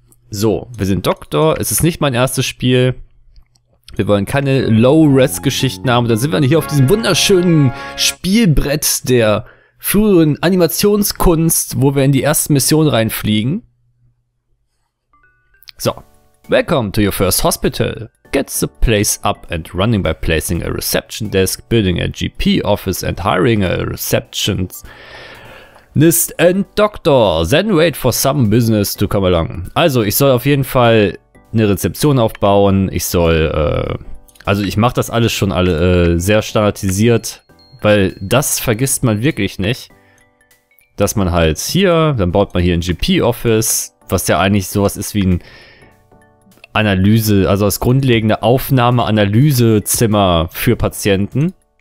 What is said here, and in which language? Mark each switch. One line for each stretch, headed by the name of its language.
German: So, wir sind Doktor, es ist nicht mein erstes Spiel. Wir wollen keine Low-Res-Geschichten haben. Dann sind wir hier auf diesem wunderschönen Spielbrett der früheren Animationskunst, wo wir in die erste Mission reinfliegen.
English: So, welcome to your first hospital. Get the place up and running by placing a reception desk, building a GP office and hiring a receptionist and Doctor, then wait for some business to come along.
German: Also, ich soll auf jeden Fall eine Rezeption aufbauen. Ich soll, also ich mache das alles schon alle sehr standardisiert, weil das vergisst man wirklich nicht, dass man halt hier, dann baut man hier ein GP-Office, was ja eigentlich sowas ist wie ein Analyse, also das grundlegende Aufnahme-Analyse-Zimmer für Patienten.